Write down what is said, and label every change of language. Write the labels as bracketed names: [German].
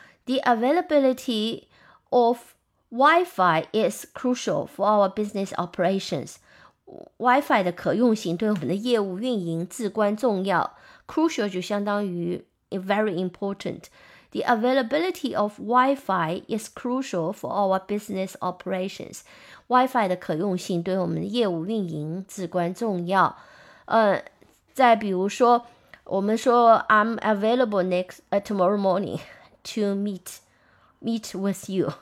[English] The availability of Wi-Fi is crucial for our business operations. [Chinese] Wi-Fi 的可用性对我们的业务运营至关重要。 [English] Crucial [Chinese] 就相当于 [English] very important. The availability of Wi-Fi is crucial for our business operations. [Chinese] Wi-Fi 的可用性对我们的业务运营至关重要。再比如说，我们说 [English] I'm available tomorrow morning to meet with you.